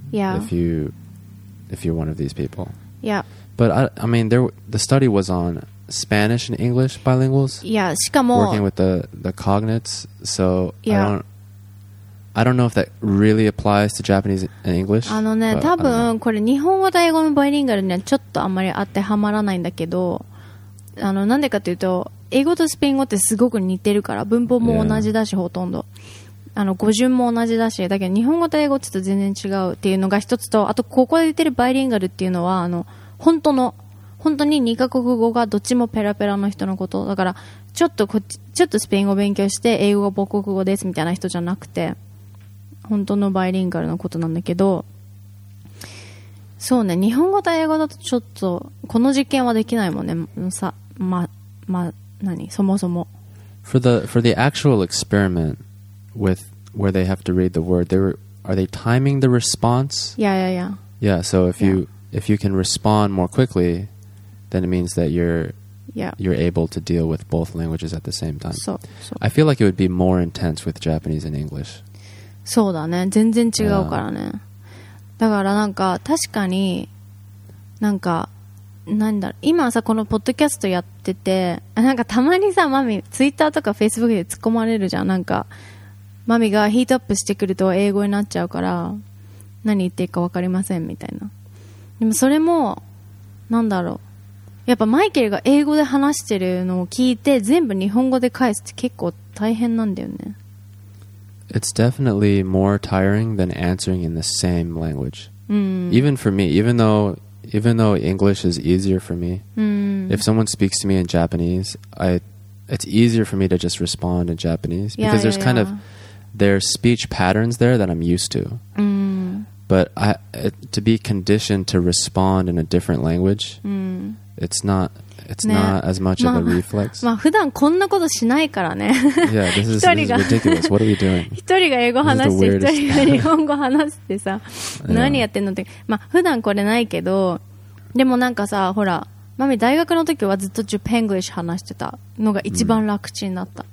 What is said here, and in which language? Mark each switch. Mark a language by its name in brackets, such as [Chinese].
[English] Yeah. If you're one of these people. Yeah. But I mean, the study was on... Spanish and English bilinguals. [Japanese] Yeah, しかも [English] working with the cognates. So yeah. I don't know if that really applies to Japanese and English. [Japanese] あのね、多分これ日本語と英語のバイリンガルにはちょっとあんまり当てはまらないんだけど、あのなんでかというと英語とスペイン語ってすごく似てるから文法も同じだし、ほとんど、あの語順も同じだし、だけど日本語と英語ってちょっと全然違うっていうのが一つと、あとここで言ってるバイリンガルっていうのはあの本当に2カ国語がどっちもペラペラの人のことだから、ちょっとスペイン語勉強して英語が母国語ですみたいな人じゃなくて、本当のバイリンガルのことなんだけど、そうね、日本語と英語だとちょっとこの実験はできないもんね。さ、ま、何、そもそも [English] for the actual experiment with where they have to read the word, are they timing the response? Yeah, yeah, yeah. Yeah, so if you can respond more quicklyThen it means that you're able to deal with both languages at the same time. So, I feel like it would be more intense with Japanese and English. [Japanese] そうだね、全然違うからね。だからなんか確かに、なんかなんだろう、今さこのポッドキャストやってて、なんかたまにさマミ、ツイッターとかフェイスブックで突っ込まれるじゃん。なんかマミがヒートアップしてくると英語になっちゃうから、何言っていいか分かりませんみたいな。でもそれもなんだろう、やっぱマイケルが英語で話してるのを聞いて全部日本語で返すって結構大変なんだよね。 [English] It's definitely more tiring than answering in the same language. Even for me, even though English is easier for me, if someone speaks to me in Japanese, it's easier for me to just respond in Japanese because there's speech patterns there that I'm used to. But to be conditioned to respond in a different language, it's not as much of a reflex. [Japanese] まあ普段こんなことしないからね。 [English] Yeah, this is ridiculous. What are we doing? [Japanese] 一人が英語話して一人が日本語話してさ、何やってんのって。まあ普段これないけど、でもなんかさ、ほら、マミ大学の時はずっとジュペングリッシュ話してたのが一番楽ちんだった。